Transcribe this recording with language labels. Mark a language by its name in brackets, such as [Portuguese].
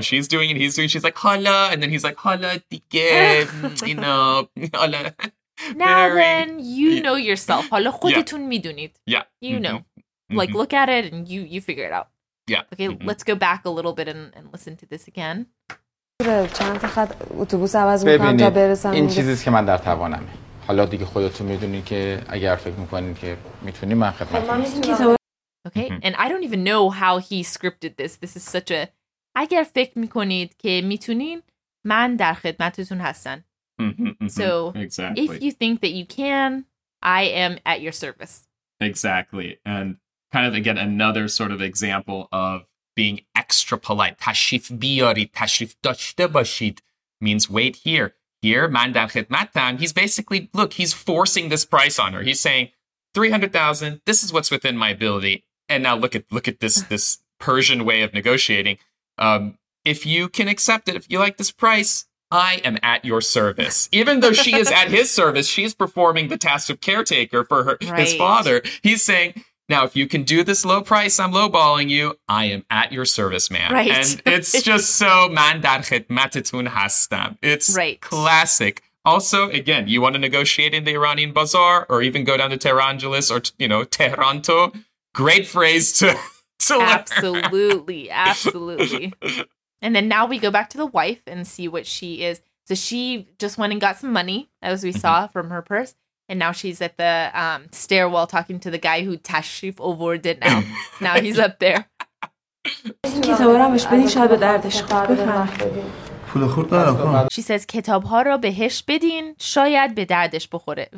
[English] She's doing it. He's doing it. She's like, hola. And then he's like, hola, diga. You know, hola. Now very, then, you know yourself. [Persian] حالا خودتون [English] yeah. [Persian] میدونید. [English] Yeah. You know. Mm-hmm. Like, look at it and you figure it out. Yeah. Okay, mm-hmm. let's go back a little bit and listen to this again. [Persian] چند تا خط اتوبوس عوض میکنم تا برسم. این چیزیست که من در توانمه. حالا دیگه خودتون میدونید که اگر فکر میکنید که میتونی من خدمت کنم. [English] Okay, mm-hmm. and I don't even know how he scripted this. This is such a... [Persian] اگر فکر میکنید که میتونین, من در خدمتتون هستن. [English] So, exactly. If you think that you can, I am at your service. Exactly. And kind of, again, another sort of example of being extra polite. [Persian] تشریف بیارید, تشریف داشته باشید [English] means wait here. [Persian] Here, من در خدمتم. [English] He's basically, look, he's forcing this price on her. He's saying, 300,000, this is what's within my ability. And now look at this Persian way of negotiating. If you can accept it, if you like this price, I am at your service. Even though she is at his service, she is performing the task of caretaker for her, right. his father. He's saying, now, if you can do this low price, I'm lowballing you. I am at your service, man. Right. And it's just so, man, [Persian] dar khidmatetun hastam. [English] It's classic. Also, again, you want to negotiate in the Iranian bazaar or even go down to Tehrangelis or, you know, Tehranto. Great phrase to absolutely, absolutely. And then now we go back to the wife and see what she is. So she just went and got some money, as we mm-hmm. saw from her purse. And now she's at the stairwell talking to the guy who tashrif overed it now. Now he's up there. She says, [Persian] کتاب ها را بهش بدین, شاید به دردش بخوره.